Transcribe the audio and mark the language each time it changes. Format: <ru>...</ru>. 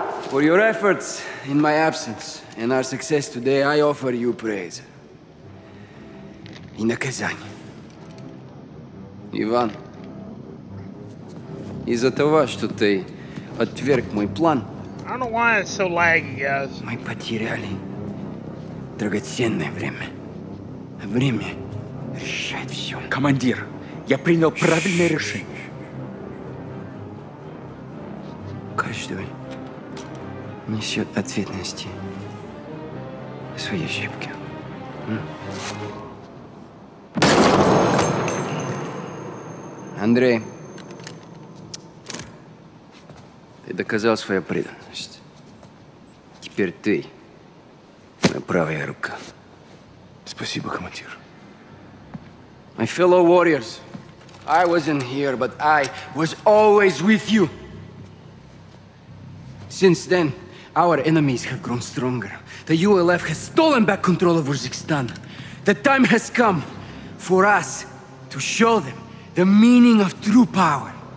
<en>For your efforts in my absence and our success today, I offer you praise. In a Kazanie.</en> <ru>Иван, из-за того, что ты отверг мой план,</ru> <en>I don't know why it's so laggy, guys.</en> <ru>Мы потеряли драгоценное время. Время решает все. Командир, я принял правильное решение. Каждый несет ответственности свои ошибки. Андрей, ты доказал свою преданность. Теперь ты моя правая рука. Спасибо, командир.</ru> <en>My fellow warriors, I wasn't here, but I was always with you. Since then, our enemies have grown stronger. The ULF has stolen back control of Uzbekistan. The time has come for us to show them the meaning of true power.</en>